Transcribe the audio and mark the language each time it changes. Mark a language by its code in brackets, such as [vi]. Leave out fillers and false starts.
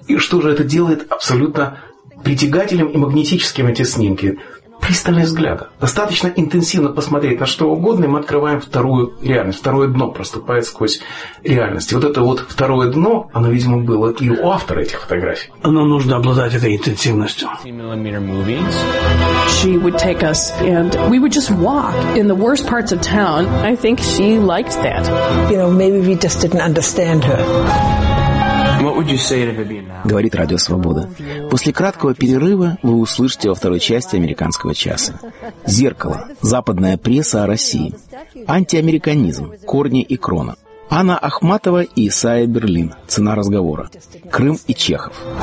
[ru] И что же это делает абсолютно притягательным и магнетическим эти снимки? Пристальный взгляд. Достаточно интенсивно посмотреть на что угодно, и мы открываем вторую реальность. Второе дно проступает сквозь реальность. И вот это вот второе дно, оно, видимо, было и у автора этих фотографий. Оно нужно обладать этой интенсивностью. [en] She would take us, and we would just walk in the worst parts of town. I think she liked that. You know, maybe we just didn't understand her. [ru] Говорит Радио Свобода. После краткого перерыва вы услышите во второй части «Американского часа». «Зеркало», «Западная пресса о России», «Антиамериканизм», «Корни и крона», Анна Ахматова и Исайя Берлин, «Цена разговора», «Крым и Чехов».